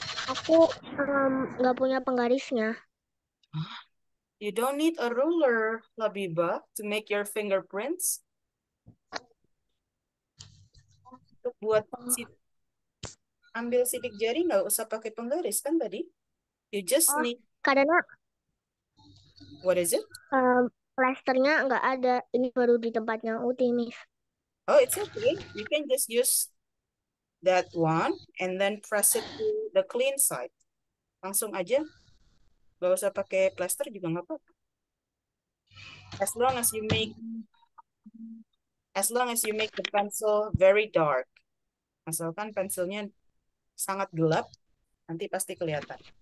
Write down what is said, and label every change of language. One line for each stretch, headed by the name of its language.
Indonesian: Aku nggak punya penggarisnya.
English: You don't need a ruler, Labiba, to make your fingerprints.
Indonesian: Untuk buat ambil sidik jari nggak usah pakai penggaris kan tadi.
English: You just need.
Indonesian: Karena.
English: What is it?
Indonesian: Plasternya nggak ada. Ini baru di tempatnya Uti, miss.
English: Oh, it's okay. You can just use that one and then press it to the clean side.
Indonesian: Langsung aja. Gak usah pakai plaster juga gak apa-apa.
English: As long as you make the pencil very dark.
Indonesian: Asalkan pensilnya sangat gelap, nanti pasti kelihatan.